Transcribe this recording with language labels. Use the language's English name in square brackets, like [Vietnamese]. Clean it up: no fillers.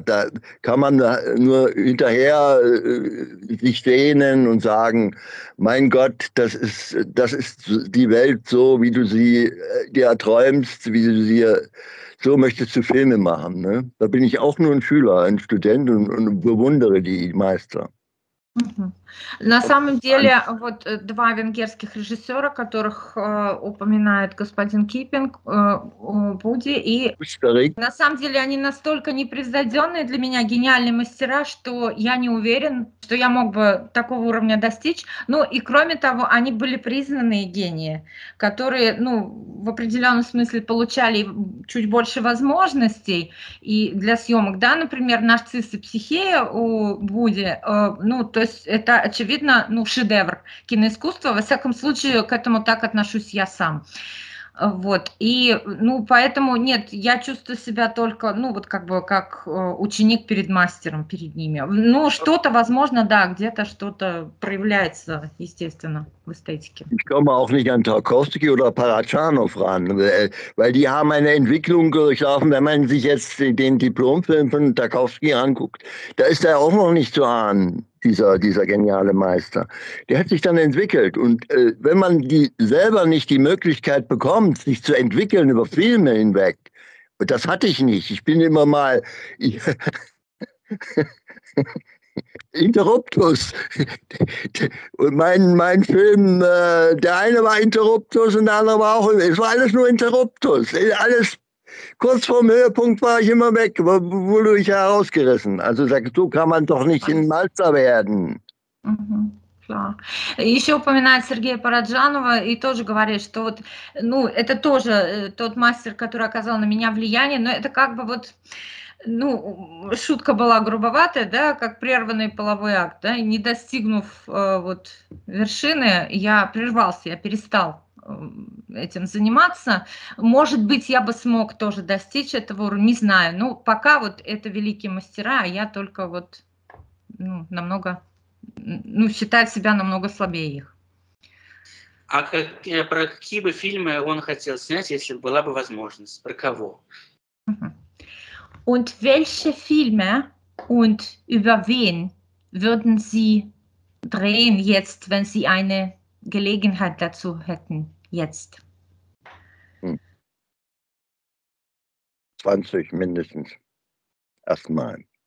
[German] Da kann man nur hinterher sich sehnen und sagen, mein Gott, das ist die Welt so, wie du sie dir erträumst, wie du sie, so möchtest du Filme machen. Ne? Da bin ich auch nur ein Schüler, ein Student und bewundere die Meister. [Russian] На самом деле, вот два венгерских режиссера, которых упоминает господин Киппинг, Буди, и на самом деле они настолько непревзойденные для меня, гениальные мастера, что я не уверен, что я мог бы такого уровня достичь. Ну и кроме того, они были признанные гении, которые, ну, в определенном смысле получали чуть больше возможностей и для съемок. Да, например, «Нарцисс и Психея» у Буди, ну, то есть это очевидно, ну, шедевр киноискусства. Во всяком случае, к этому так отношусь я сам. Вот. И, ну, поэтому, нет, я чувствую себя только, ну, вот как бы, как ученик перед мастером, перед ними. Ну, что-то, возможно, да, где-то что-то проявляется, естественно, в эстетике. [German] Ich komme auch nicht an Tarkovsky oder Parachanov ran, weil die haben eine Entwicklung durchlaufen, wenn man sich jetzt den Diplomfilm von Tarkovsky anguckt. Da ist er auch noch nicht zu ahnen. Dieser geniale Meister, der hat sich dann entwickelt. Und wenn man die selber nicht die Möglichkeit bekommt, sich zu entwickeln über Filme hinweg, das hatte ich nicht. Ich bin immer mal Interruptus. Und mein Film, der eine war Interruptus und der andere war auch, es war alles nur Interruptus. Alles kurz vorm Höhepunkt war ich immer weg, wurde ich herausgerissen. Also sagst du, kann man doch nicht ein Meister werden. Klar. [Russian] Еще упоминает Сергея Параджанова и тоже говорит, что вот, ну, это тоже тот мастер, который оказал на меня влияние, но это как бы вот, ну, шутка была грубоватая, да, как прерванный половой акт, да, не достигнув вот вершины, я прервался, я перестал этим заниматься. Может быть, я бы смог тоже достичь этого уровня, не знаю. Ну, пока вот это великие мастера, а я только вот, ну, намного, ну, считаю себя намного слабее их. А про какие бы фильмы он хотел снять, если была бы возможность? Про кого? [German] Und welche Filme und über wen würden Sie drehen jetzt, wenn Sie eine Gelegenheit dazu hätten, jetzt? 20 mindestens. Erstmal.